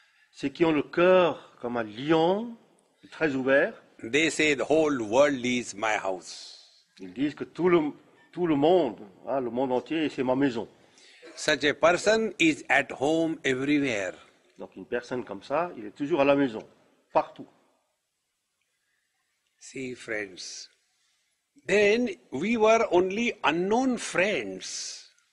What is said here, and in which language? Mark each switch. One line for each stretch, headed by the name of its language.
French: Ceux qui ont le cœur comme un lion, très ouvert.
English: They say the whole world is my house.
French: Ils disent que tout le monde, hein, le monde entier, c'est ma maison.
English: Such a person is at home everywhere.
French: Donc une personne comme ça, il est toujours à la maison, partout.
English: See, friends. Then we were only unknown friends.